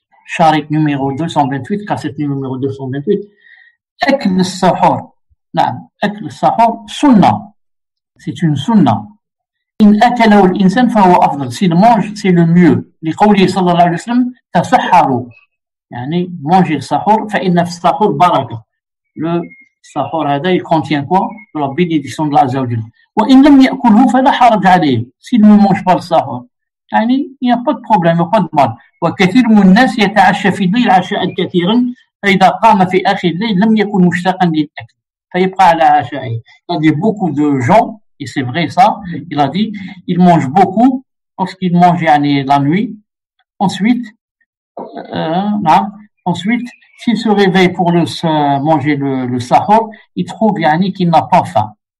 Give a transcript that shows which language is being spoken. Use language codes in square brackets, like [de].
[fr] شريط numéro 228 cassette numéro 228 [ar] اكل السحور نعم اكل السحور سنه [fr] c'est une sunna [ar] ان اكله الانسان فهو افضل [fr] s'il mange c'est le mieux [ar] لقوله صلى الله عليه وسلم تسحروا يعني [fr] mange السحور [ar] فان في السحور بركه [fr] le [ar] السحور هذا [fr] il contient quoi la bénédiction de la zawjil [ar] وان لم ياكله فلا حرج عليه [fr] s'il ne mange pas le السحور يعني il n'y a pas de problème, il n'y a pas de mal. [ar] وكثير من الناس يتعشى في الليل عشاء كثيرا فإذا قام في آخر الليل لم يكن مشتاقا للأكل فيبقى على عشائه. [fr] Il a dit beaucoup de gens, et c'est vrai ça, il a dit, ils mangent beaucoup lorsqu'ils mangent la nuit. Ensuite, Ensuite, s'il se réveille pour manger le sahur, il trouve yani, qu'il n'a pas faim.